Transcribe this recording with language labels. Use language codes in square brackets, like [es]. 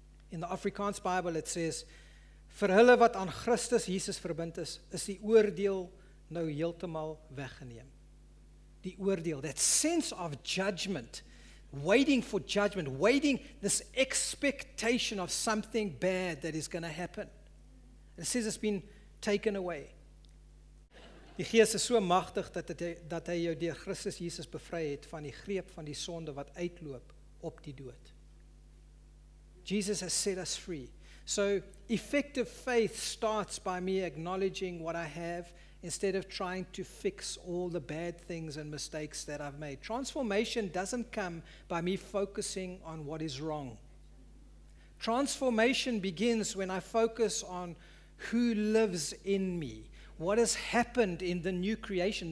[en] In the Afrikaans Bible, it says, [af] vir hulle wat aan Christus Jesus verbind is, is die oordeel nou heeltemal weggeneem. Die oordeel, [en] that sense of judgment, waiting for judgment, waiting this expectation of something bad that is going to happen. It says it's been taken away. [af] Die Gees is so machtig dat hy jou deur Christus Jesus bevry het van die greep van die sonde wat uitloop op die dood. [en] Jesus has set us free. So effective faith starts by me acknowledging what I have instead of trying to fix all the bad things and mistakes that I've made. Transformation doesn't come by me focusing on what is wrong. Transformation begins when I focus on who lives in me, what has happened in the new creation.